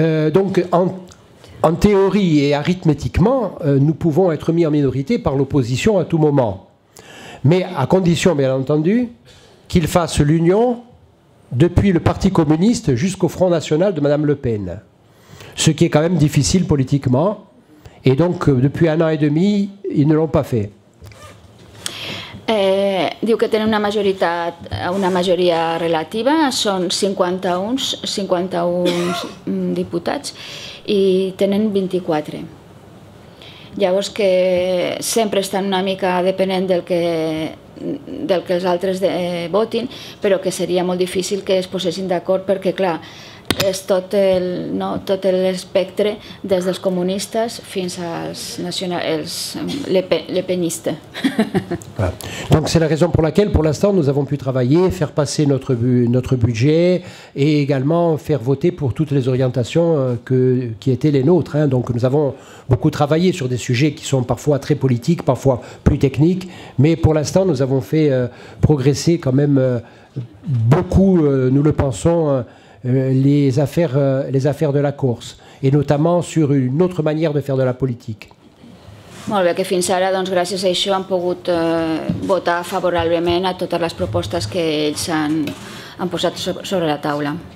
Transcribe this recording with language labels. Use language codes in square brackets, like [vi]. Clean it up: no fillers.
[fr] Donc en théorie et arithmétiquement, nous pouvons être mis en minorité par l'opposition à tout moment. Mais à condition, bien entendu, qu'il fasse l'union depuis le Parti communiste jusqu'au Front national de Madame Le Pen. Ce qui est quand même difficile politiquement. Et donc, depuis un an et demi, ils ne l'ont pas fait. [ca] Diu que tenen una majoria relativa, són 51 diputats i tenen 24. Llavors que sempre estan una mica depenent del que els altres votin, però que seria molt difícil que es posessin d'acord perquè, clar, és tot el, no, tot l'espectre des dels comunistes fins als nacionals, l'epeniste. [fr] Donc c'est la raison pour laquelle pour l'instant nous avons pu travailler, faire passer notre budget et également faire voter pour toutes les orientations qui étaient les nôtres, hein. Donc nous avons beaucoup travaillé sur des sujets qui sont parfois très politiques, parfois plus techniques, mais pour l'instant nous avons fait progresser quand même beaucoup, nous le pensons, les affaires de la Corse et notamment sur une autre manière de faire de la politique. [ca] Molt bé, que fins ara, doncs, gràcies a això, han pogut votar favorablement a totes les propostes que ells han posat sobre la taula.